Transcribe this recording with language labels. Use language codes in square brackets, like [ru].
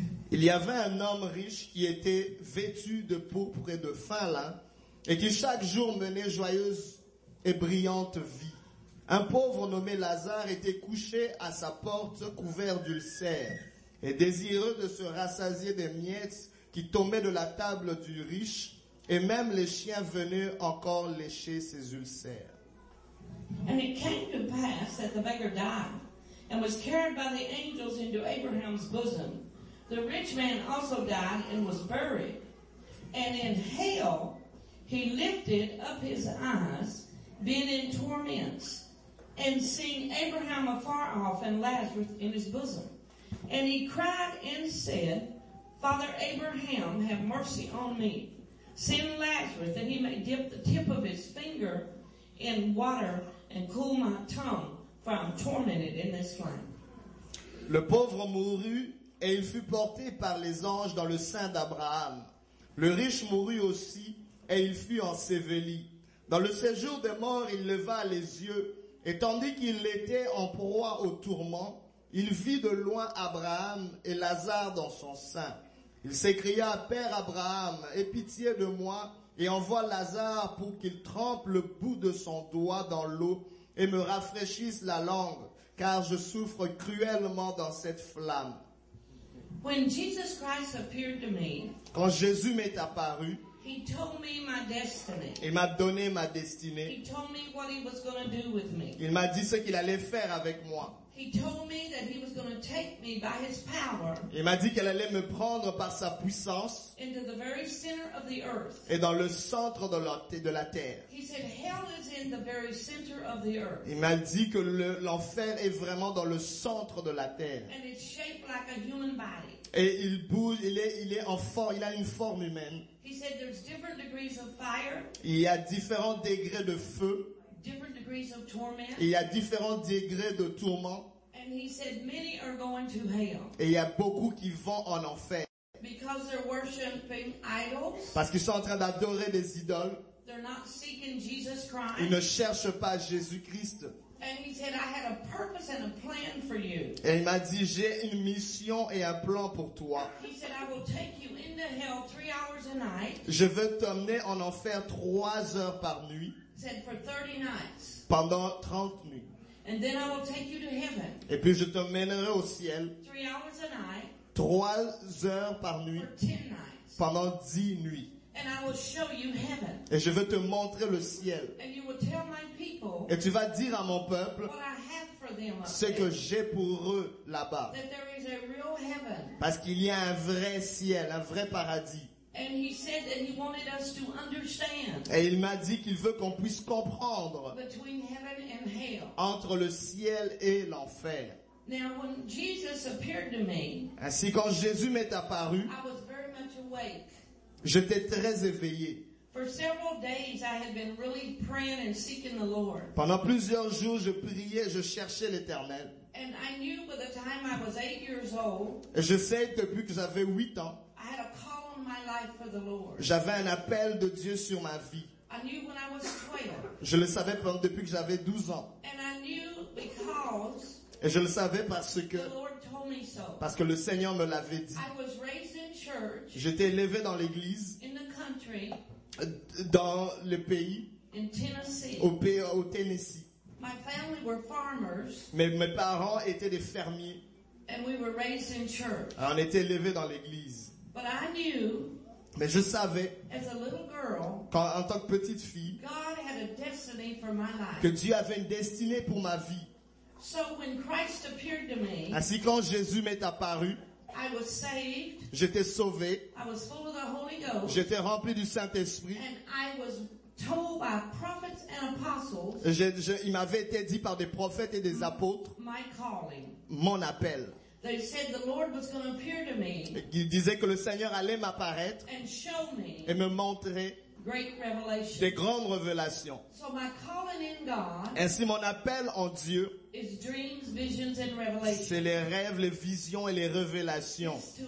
[fr] Il y avait un homme riche qui était vêtu de pourpre et de fin lin, et qui chaque jour menait joyeuse et brillante vie. Un pauvre nommé Lazare était couché à sa porte couvert d'ulcères. Et désireux de se rassasier des miettes qui tombaient de la table du riche, et même les chiens venaient encore lécher ses ulcères. [en] And it came to pass that the beggar died, and was carried by the angels into Abraham's bosom. The rich man also died and was buried. And in hell he lifted up his eyes, being in torments, and seeing Abraham afar off and Lazarus in his bosom. And he cried and said, Father Abraham, have mercy on me. Send Lazarus that he may dip the tip of his finger in water and cool my tongue, for I'm tormented in this flame. [fr] Le pauvre mourut, et il fut porté par les anges dans le sein d'Abraham. Le riche mourut aussi, et il fut enseveli. Dans le séjour des morts, il leva les yeux, et tandis qu'il était en proie au tourment, il vit de loin Abraham et Lazare dans son sein. Il s'écria, Père Abraham, aie pitié de moi et envoie Lazare pour qu'il trempe le bout de son doigt dans l'eau et me rafraîchisse la langue, car je souffre cruellement dans cette flamme. [en] When Jesus Christ appeared to me, [fr] quand Jésus m'est apparu, [en] he told me my destiny. [fr] Il m'a donné ma destinée. [en] He told me what he was going to do with me. [fr] Il m'a dit ce qu'il allait faire avec moi. [en] He told me that he was going to take me by his power. [fr] Il m'a dit qu'elle allait me prendre par sa puissance. [en] Into the very center of the earth. [fr] Et dans le centre de la terre. [en] He said hell is in the very center of the earth. [fr] Il m'a dit que l'enfer est vraiment dans le centre de la terre. [en] And it's shaped like a human body. [fr] Et il bouge, il est en forme, il a une forme humaine. [en] He said there's different degrees of fire. [fr] Il y a différents degrés de feu. [en] Different degrees of torment. [fr] Il y a différents degrés de tourment. [en] And he said many are going to hell. [fr] Et il y a beaucoup qui vont en enfer. [en] Because they're worshiping idols. [fr] Parce qu'ils sont en train d'adorer des idoles. [en] They're not seeking Jesus Christ. [fr] Ils ne cherchent pas Jésus-Christ. [en] And he said, I had a purpose and a plan for you. [fr] Et il m'a dit, j'ai une mission et un plan pour toi. [en] He said, I will take you into hell 3 hours a night. [fr] Je veux t'emmener en enfer 3 heures par nuit. [en] He said, for 30 nights. [fr] Pendant 30 nuits. [en] And then I will take you to heaven. [fr] Et puis je t'emmènerai au ciel. [en] 3 hours a night. [fr] 3 heures par nuit. [en] For 10 nights. [fr] Pendant 10 nuits. [en] And I will show you heaven. [fr] Et je veux te montrer le ciel. [en] And you will tell my people. [fr] Et tu vas dire à mon peuple. [en] What I have for them. [fr] Ce que j'ai pour eux là-bas. [en] That there is a real heaven. [fr] Parce qu'il y a un vrai ciel, un vrai paradis. [en] And he said that he wanted us to understand. [fr] Et il m'a dit qu'il veut qu'on puisse comprendre. [en] Between heaven and hell. [fr] Entre le ciel et l'enfer. [en] Now when Jesus appeared to me. [fr] Ainsi quand Jésus m'est apparu. [en] I was very much awake. [fr] J'étais très éveillé. [en] For several days, I had been really praying and seeking the Lord. [fr] Pendant plusieurs jours, je priais, je cherchais l'Éternel. [en] And I knew by the time I was 8 years old. [fr] Et je sais depuis que j'avais 8 ans. [en] I had a call on my life for the Lord. [fr] J'avais un appel de Dieu sur ma vie. [en] I knew when I was 12. [fr] Je le savais depuis que j'avais 12 ans. [en] And I knew because. [fr] Et je le savais parce que. [en] The Lord told me so. [fr] Parce que le Seigneur me l'avait dit. [en] I was raised in church. [fr] J'étais élevé dans l'église. [en] In the country. [fr] Dans le pays. [en] In Tennessee. [fr] Au Tennessee. [en] My family were farmers. [fr] Mais mes parents étaient des fermiers. [en] And we were raised in church. [fr] Alors on était élevé dans l'église. [en] But I knew. [fr] Mais je savais, [en] as a little girl, [fr] en tant que petite fille, [en] God had a destiny for my life. [fr] Que Dieu avait une destinée pour ma vie. [en] So when Christ appeared to me, [fr] ainsi quand Jésus m'est apparu, [en] I was saved, [fr] j'étais sauvé, [en] I was full of the Holy Ghost, [fr] j'étais rempli du Saint-Esprit, [en] and I was told by prophets and apostles, [fr] il m'avait été dit par des prophètes et des apôtres, [en] my calling. [fr] Mon appel. [en] They said the Lord was going to appear to me. [fr] Ils disaient que le Seigneur allait m'apparaître [en] and show me [fr] et me montrer [en] great revelations. [fr] Des grandes révélations. [en] So my calling in God, [fr] ainsi mon appel en Dieu, [en] is dreams, visions, and revelations. [fr] C'est les rêves, les visions et les révélations.